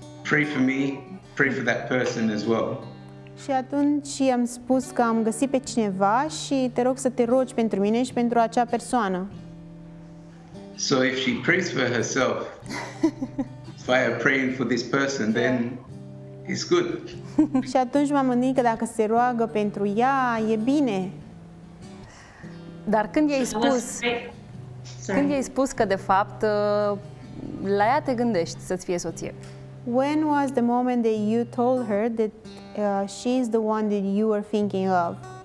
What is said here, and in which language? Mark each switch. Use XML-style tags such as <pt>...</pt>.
<en>Pray for me, pray for that person as well.</en> <ro>Și atunci am spus că am găsit pe cineva și te rog să te rogi pentru mine și pentru acea persoană.</ro> <en>So if she prays for herself via praying for this person, then it's good.</en> <ro>Și atunci m-am gândit că dacă se roagă pentru ea, e bine. Dar când i-ai spus, când i-ai spus că de fapt la ea te gândești să-ți fie soție?</ro> <en>When was the moment that you told her that she's the one that you were thinking of?</en>